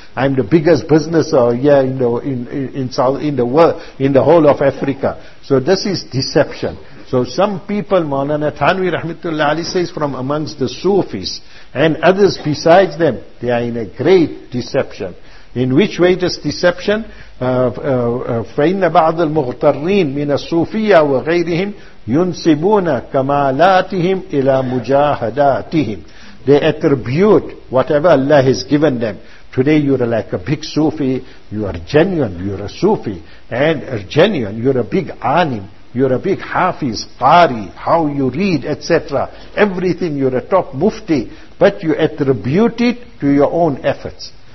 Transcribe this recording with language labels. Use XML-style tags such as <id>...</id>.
<en>I'm the biggest business in the world, in the whole of Africa. So this is deception. So some people, Maulana Thanwi Rahmatullah Ali says, from amongst the Sufis and others besides them, they are in a great deception. In which way does deception?</en> <ar>فَإِنَّ بَعْضَ الْمُغْتَرِّينَ مِنَ الصُّوفِيَّةِ وَغَيْرِهِمْ يُنْسِبُونَ كَمَالَاتِهِمْ إِلَى مُجَاهَدَاتِهِمْ</ar> <en>They attribute whatever Allah has given them. Today you are like a big Sufi, you are genuine, you are a Sufi, and are genuine, you are a big alim, you are a big hafiz, qari, how you read, etc. Everything, you are a top mufti, but you attribute it to your own efforts.</en>